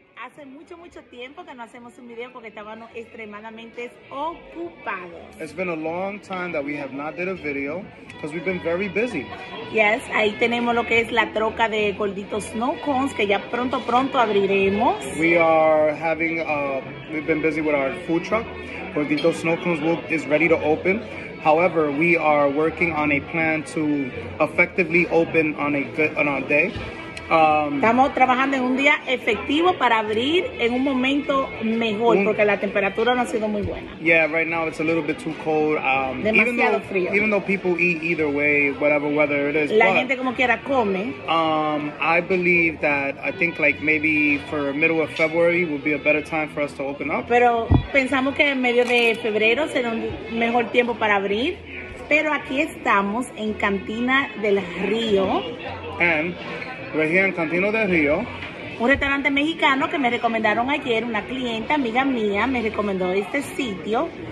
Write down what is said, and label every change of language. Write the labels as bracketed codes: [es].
[es] Hace mucho, mucho tiempo que no hacemos un video porque estábamos extremadamente ocupados. [en] It's been a long time that we have not did a video because we've been very busy. [es] Yes, ahí tenemos lo que es la troca de gorditos snow cones que ya pronto, pronto abriremos. [en] We are having, we've been busy with our food truck. Gorditos snow cones is ready to open. However, we are working on a plan to effectively open on a day. [es] Estamos trabajando en un día efectivo para abrir en un momento mejor, porque la temperatura no ha sido muy buena. [en] Yeah, right now it's a little bit too cold. [es] Demasiado frío. [en] Even though people eat either way, whatever weather it is. [es] La gente como quiera come. [en] I think like maybe for middle of February would be a better time for us to open up. [es] Pero pensamos que en medio de febrero será un mejor tiempo para abrir. Pero aquí estamos en Cantina del Río. [en] And we're here in Cantina del Río. [es] Un restaurante mexicano que me recomendaron ayer. Una clienta, amiga mía, me recomendó este sitio.